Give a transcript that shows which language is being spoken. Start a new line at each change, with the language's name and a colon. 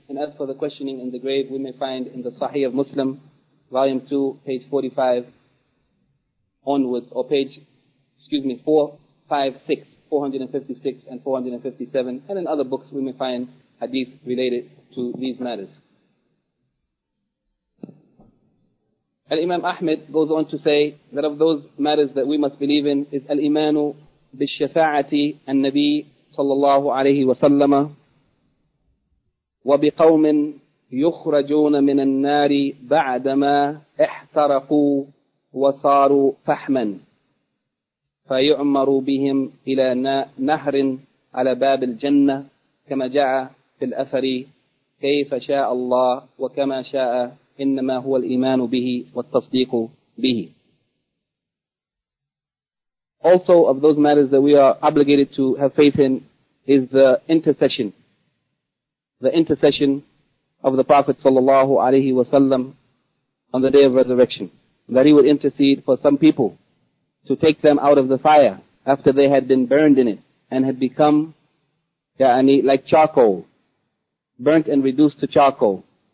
English: And as for the questioning in the grave, we may find in the Sahih of Muslim, volume 2, page 45 onwards, or page, 456, 456 and 457. And in other books, we may find hadith related to these matters. Al-Imam Ahmed goes on to say that of those matters that we must believe in is
Arabic: Al-Imanu bil-Shafa'ati al-Nabi
English: sallallahu alayhi wa sallama
Arabic: وبقوم يخرجون من النار بعدما احترقوا وصاروا فحما فيعمروا بهم إلى نهر على باب الجنة كما جاء في الأثر كيف شاء الله وكما شاء إنما هو الإيمان به والتصديق به.
English: Also of those matters that we are obligated to have faith in is the intercession. The intercession of the Prophet sallallahu alaihi wasallam on the day of resurrection, that he would intercede for some people to take them out of the fire after they had been burned in it and had become like charcoal, burnt and reduced to charcoal.